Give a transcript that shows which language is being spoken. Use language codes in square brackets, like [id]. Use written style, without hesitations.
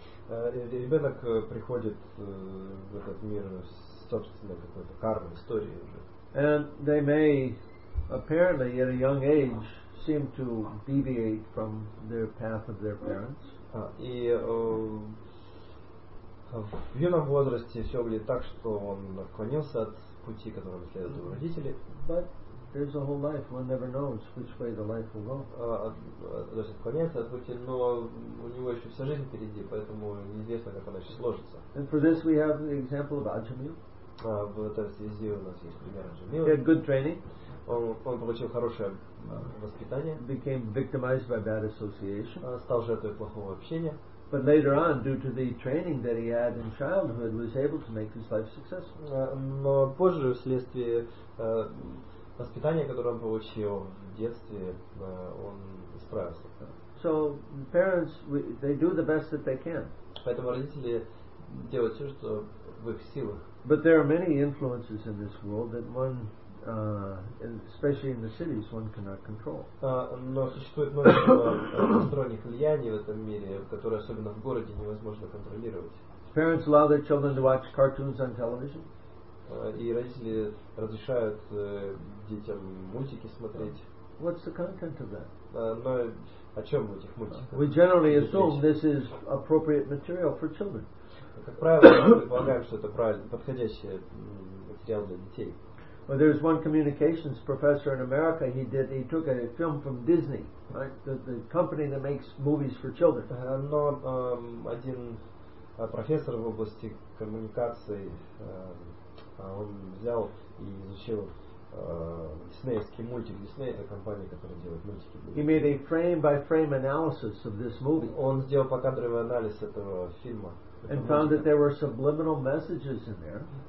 [ru] Ребенок приходит в этот мир с собственной какой-то кармой, историей уже. [en] And they may apparently at a young age seem to deviate from their path of their parents. [ru] И в юном возрасте все будет так, что он отклонился от пути, которым следовали родители. [en] But there's a whole life, one never knows which way the life will go. [ru] Отклоняется от пути, но у него еще вся жизнь впереди, поэтому неизвестно, как она еще сложится. [en] And for this we have the example of Ajamil. [ru] В этой связи у нас есть пример Ajamil. [en] He had good training. [ru] Он получил хорошее воспитание. [en] Became victimized by bad association. [ru] Стал жертвой плохого общения. [en] But later on, due to the training that he had in childhood, was able to make his life successful. [ru] Но позже, вследствие воспитания, которое он получил в детстве, он справился. [en] So parents, they do the best that they can. [ru] Поэтому родители делают все, что в их силах. [en] But there are many influences in this world that one, especially in the cities, one cannot control. [ru] Но существует много посторонних влияний в этом мире, которые особенно в городе невозможно контролировать. [en] Parents allow their children to watch cartoons on television. [ru] И родители разрешают детям мультики смотреть. [en] What's the content of that? [ru] Но о чем в этих мультиках? [en] We generally assume this is appropriate material for children. [ru] Как правило, мы предполагаем, что это правильно, подходящий материал для детей. [en] Well, there's one communications professor in America. He took a film from Disney, right? The company that makes movies for children. [ru] Но один профессор в области коммуникации, он взял и изучил диснеевский мультик. Disney — это компания, которая делает мультики. [en] He made a frame-by-frame analysis of this movie. [ru] Он сделал покадровый анализ этого фильма. [en] And found that there were subliminal messages in there.